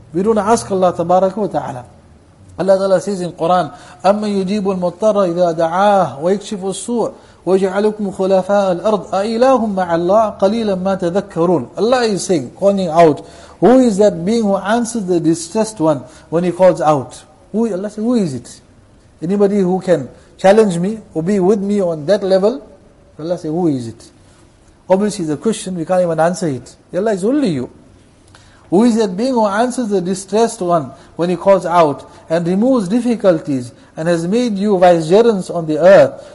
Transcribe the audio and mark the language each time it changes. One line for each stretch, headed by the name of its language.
English: We don't ask Allah Tabaraka wa Ta'ala. Allah Ta'ala says in Quran,
Arabic: أَمَّنْ يُجِيبُ الْمُطَّرَّ إِذَا دَعَاهُ وَيَكْشِفُ السُّوءَ وَجَعَلُكُمْ خُلَفَاءَ الْأَرْضِ أَإِلَهٌ مَعَ اللَّهِ قَلِيلًا مَا تَذَكَّرُونَ.
English: Allah is saying, calling out, who is that being who answers the distressed one when he calls out? Allah says, who is it? Anybody who can challenge me or be with me on that level? Allah says, who is it? Obviously it's a question, we can't even answer it. Allah is only you. Who is that being who answers the distressed one when he calls out and removes difficulties and has made you vicegerents on the earth?